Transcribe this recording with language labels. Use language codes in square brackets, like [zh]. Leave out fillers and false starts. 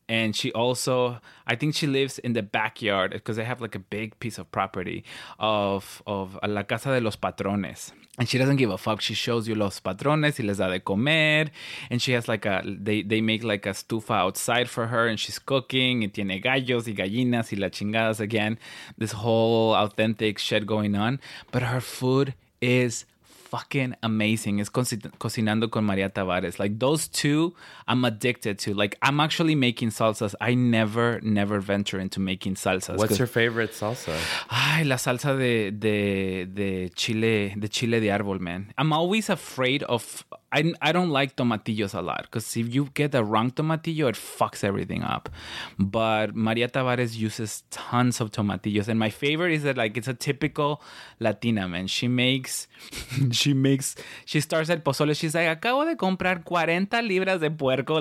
[en] And she also, I think she lives in the backyard because they have like a big piece of property of La Casa de los Patrones. And she doesn't give a fuck. She shows you [es] los patrones y les da de comer. [en] And she has like a, they make like a estufa outside for her and she's cooking. [es] Y tiene gallos y gallinas y la chingadas. [en] Again, this whole authentic shit going on. But her food is fucking amazing. It's Cocinando con María Tavares. Like those two, I'm addicted to. Like I'm actually making salsas. I never venture into making salsas. What's your favorite salsa? [es] Ay, la salsa de chile de árbol, man. [en] I'm always afraid of, I don't like tomatillos a lot because if you get the wrong tomatillo, it fucks everything up. But María Tavares uses tons of tomatillos. And my favorite is that, like, it's a typical Latina, man. She starts at pozole. She's like, [es] acabo de comprar 40 libras de puerco.